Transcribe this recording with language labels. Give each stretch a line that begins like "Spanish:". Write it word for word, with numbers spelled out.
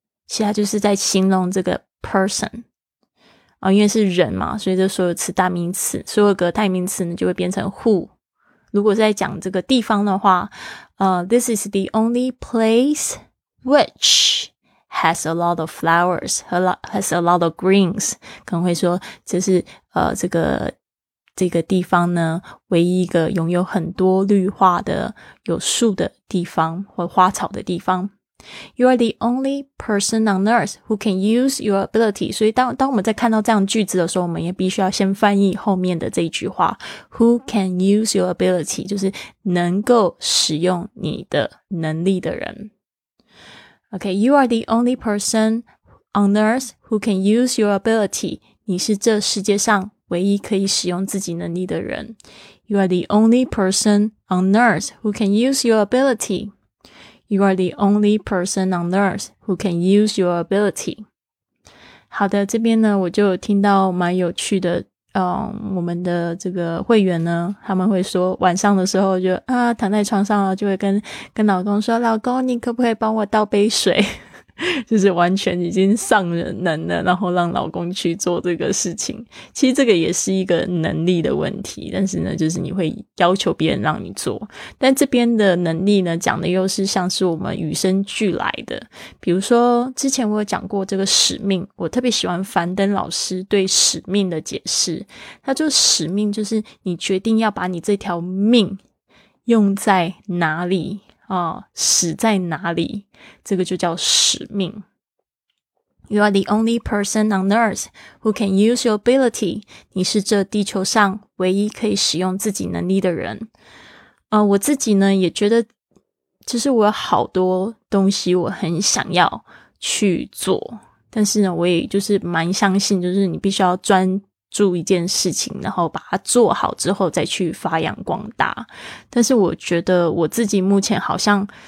Chinese: 其他就是在形容这个 person、哦、因为是人嘛，所以这所有词代名词，所有个代名词呢就会变成 who。如果在讲这个地方的话、
English: uh, This is the only place which has a lot of flowers, has a lot of greens.
Chinese: 可能会说这是、呃、这个这个地方呢，唯一一个拥有很多绿化的、有树的地方，或花草的地方。
English: You are the only person on earth who can use your ability.
Chinese: 所以当当我们在看到这样句子的时候，我们也必须要先翻译后面的这一句话 ，
English: Who can use your ability?
Chinese: 就是能够使用你的能力的人。
English: Okay, you are the only person on earth who can use your ability.
Chinese: 你是这世界上唯一可以使用自己能力的人。
English: You are the only person on earth who can use your ability. You are the only person on earth who can use your ability.
Chinese: 好的，这边呢我就有听到蛮有趣的，嗯，我们的这个会员呢，他们会说晚上的时候就啊躺在床上了，就会跟跟老公说，老公你可不可以帮我倒杯水？就是完全已经上能了，然后让老公去做这个事情。其实这个也是一个能力的问题，但是呢就是你会要求别人让你做，但这边的能力呢讲的又是像是我们与生俱来的。比如说之前我有讲过这个使命，我特别喜欢樊登老师对使命的解释，他就使命就是你决定要把你这条命用在哪里啊，使在哪里，这个就叫使命。
English: You are the only person on earth who can use your ability.
Chinese: 你是这地球上唯一可以使用自己能力的人。呃，我自己呢也觉得就是我有好多东西我很想要去做，但是呢我也就是蛮相信就是你必须要专注一件事情，然后把它做好之后再去发扬光大，但是我觉得我自己目前好像